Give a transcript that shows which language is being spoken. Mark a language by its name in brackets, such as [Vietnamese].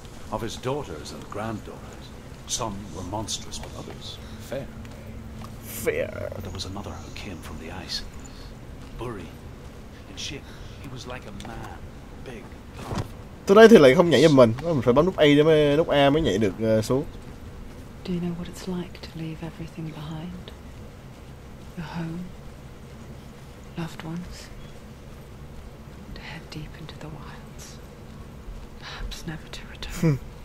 [English] Of his daughters and granddaughters, some were monstrous but others fair. Fair. But there was another who came from the ice. Bury. And she, he was like a man, big. [Vietnamese] Tới đây thì lại không nhảy giùm mình, mình phải bấm nút A để mới nút A mới nhảy được xuống. [English] Do you know what it's like to leave everything behind? Your home? Loved ones, to head deep into the wilds, perhaps never to return.